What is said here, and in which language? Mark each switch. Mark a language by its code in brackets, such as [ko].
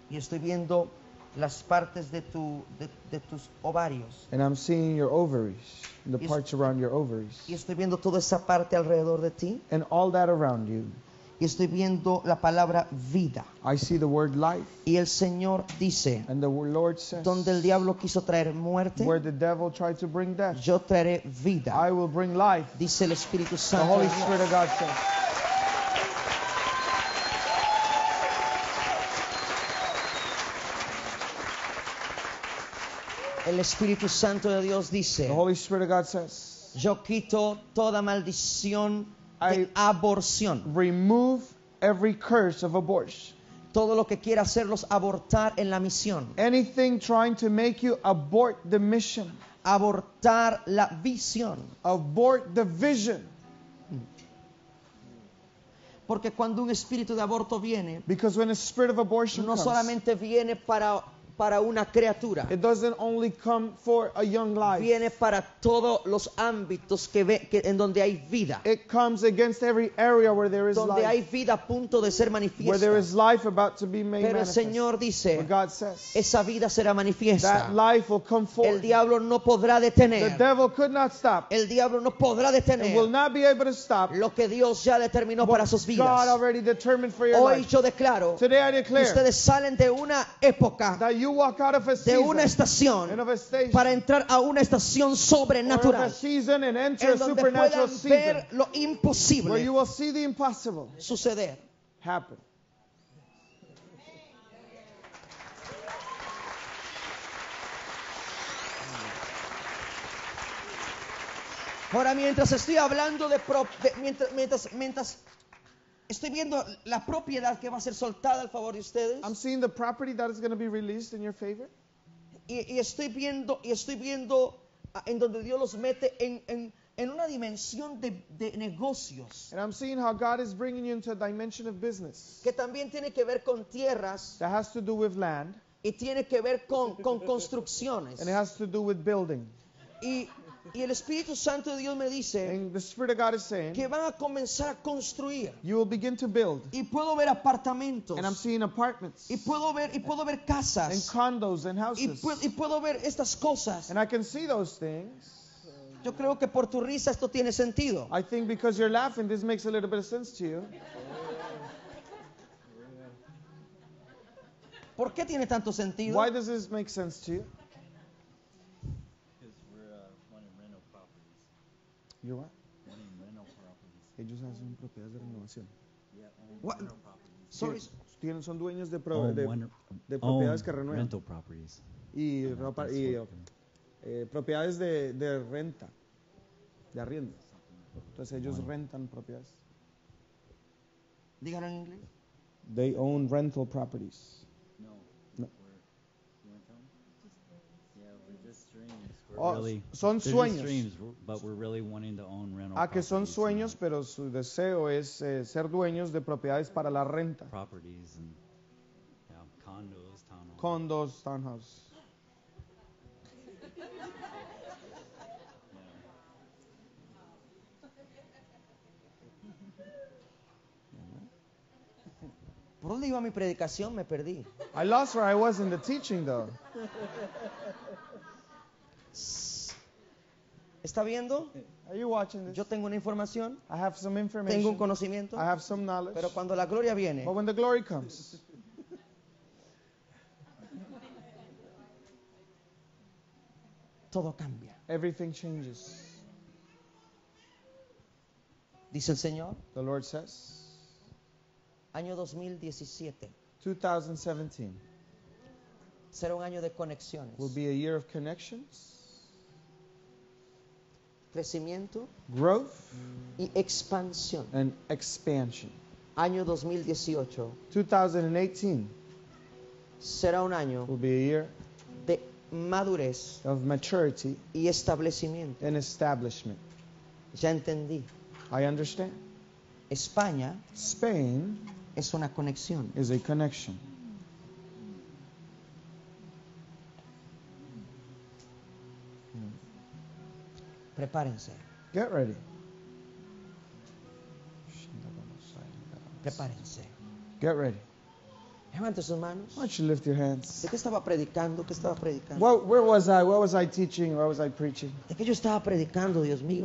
[es] y estoy viendo las partes de tu de tus ovarios, [en] and I'm seeing your ovaries, the parts around your ovaries, [es] y estoy viendo toda esa parte alrededor de ti, [en] and all that around you, [es] y estoy viendo la palabra vida. [en] I see the word life. [es] Y el Señor dice, [en] and the Lord says, [es] donde el diablo quiso traer muerte, [en] where the devil tried to bring death, [es] yo traeré vida. [en] I will bring life. [es] Dice el Espíritu Santo. [en] The Holy Spirit of God says. [es] El Espíritu Santo de Dios dice, [en] the Holy Spirit of God says, [es] yo quito toda maldición. [en] I remove every curse of abortion. [es] Todo lo que quiera hacerlos abortar en la misión. [en] Anything trying to make you abort the mission. [es] Abortar la visión. [en] Abort the vision. [es] Porque cuando un espíritu de aborto viene, [en] because when a spirit of abortion [es] no [en] comes, [es] solamente viene para una criatura. [en] It doesn't only come for a young life. [es] Viene para todos los ámbitos que ve, que, en donde hay vida. [en] It comes against every area where there is [es] donde [en] life. [es] Donde hay vida a punto de ser manifiesta. [en] Where there is life about to be made manifest. [es] Pero el Señor dice, [en] but God says, [es] esa vida será manifiesta. [en] That life will come forth. [es] El diablo no podrá detener. [en] The devil could not stop. [es] El diablo no podrá detener. [en] And will not be able to stop. [es] Lo que Dios ya determinó para sus vidas. [en] God already determined for your [es] hoy [en] life. [es] Yo declaro, [en] today I declare, [es] que ustedes salen de una época, [en] that you walk out of a season, [es] de una estación, [en] and of a station, [es] para entrar a una estación sobrenatural, [en] or of a season and enter a supernatural season, [es] ver lo imposible, [en] where you will see the impossible [es] suceder, [en] happen. [es] Ahora mientras estoy hablando de mientras estoy viendo la propiedad que va a ser soltada al favor de ustedes. [en] I'm seeing the property that is going to be released in your favor. [es] Y estoy viendo en donde Dios los mete en una dimensión de negocios. [en] And I'm seeing how God is bringing you into a dimension of business. [es] Que también tiene que ver con tierras. [en] That has to do with land. [es] Y tiene que ver con construcciones. [en] And it has to do with building. [es] Y el Espíritu Santo de Dios me dice, [en] and the Spirit of God is saying, [es] que van a comenzar a construir, [en] you will begin to build, [es] y puedo ver apartamentos, [en] and I'm seeing apartments, [es] y puedo ver casas, [en] and condos and houses, [es] y puedo ver estas cosas, [en] and I can see those things. [es] Yo creo que por tu risa esto tiene sentido. [en] I think because you're laughing this makes a little bit of sense to you. [es] ¿Por qué tiene tanto sentido? [en] Why does this make sense to you? You what? Rental properties. [es] Ellos hacen propiedades de renovación. [en] What? Sorry. [es] Tienen, son dueños de propiedades que renuevan. [en] Rental properties. [es] Y ropa, y propiedades de renta, de arriendo. Entonces ellos rentan propiedades. Díganlo en inglés. [en] They own rental properties. No. No. Rental? Just [es] son sueños. [en] Dreams, but we're really wanting to own rental [es] a que son sueños, pero su deseo es ser dueños de propiedades para la renta. [en] Properties and, yeah, condos, townhouses. Condos, townhouses. [es] ¿Por dónde iba mi predicación? Me perdí. [en] I lost where I was in the teaching, though. [es] ¿Está viendo? [en] Are you watching this? [es] Yo tengo una información. [en] I have some information. [es] Tengo un conocimiento. [en] I have some knowledge. [es] Pero cuando la gloria viene. [en] But when the glory comes. [es] Todo cambia. [en] Everything changes. [es] Dice el Señor. [en] The Lord says. [es] Año 2017. 2017. Será un año de conexiones. [en] Will be a year of connections. [es] Crecimiento. [en] Growth. [es] Y expansión. [en] And expansion. [es] Año 2018. 2018. Será un año. [en] Will be a year. [es] De madurez. [en] Of maturity. [es] Y establecimiento. [en] And establishment. [es] Ya entendí. [en] I understand. [es] España. [en] Spain. [es] Es una conexión. [en] Is a connection. [es] Prepárense. [en] Get ready. [es] Prepárense. [en] Get ready. [es] Levante sus manos. [en] Why don't you lift your hands? [es] ¿De qué estaba predicando? ¿Qué estaba predicando? [en] Well, where was I? What was I teaching? What was I preaching? [es] ¿De qué yo estaba predicando, Dios mío?